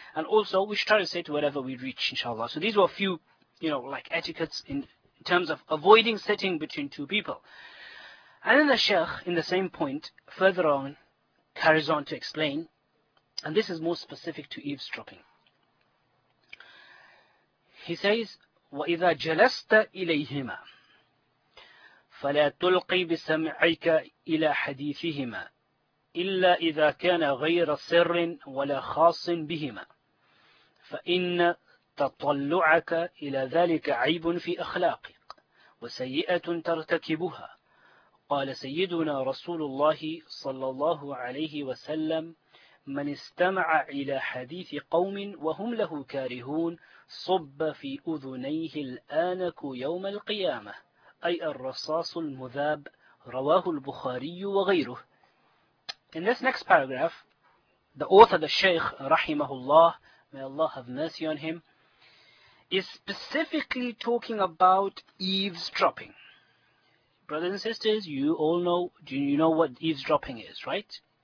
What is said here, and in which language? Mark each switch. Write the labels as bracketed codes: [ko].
[en] And also we should try to sit wherever we reach, inshallah. So these were a few, you know, like etiquettes in terms of avoiding sitting between two people. And then the Sheikh, in the same point, further on, carries on to explain, and this is more specific to eavesdropping. He says, [ar] وَإِذَا جَلَسْتَ إِلَيْهِمَا فَلَا تُلْقِي بِسَمْعِكَ إِلَى حَدِيثِهِمَا إِلَّا إِذَا كَانَ غَيْرَ سِرٍّ وَلَا خَاصٍ بِهِمَا فَإِنَّ تطلعك إلى ذلك عيب في أخلاقك وسيئة ترتكبها. قال سيدنا رسول الله صلى الله عليه وسلم من استمع إلى حديث قوم وهم له كارهون صب في أذنيه الآنك يوم القيامة أي الرصاص المذاب. رواه البخاري وغيره. [en] In this next paragraph, the author, the Sheikh رحمه الله, may Allah have mercy on him, is specifically talking about eavesdropping. Brothers and sisters, you all know, do you know what eavesdropping is, right?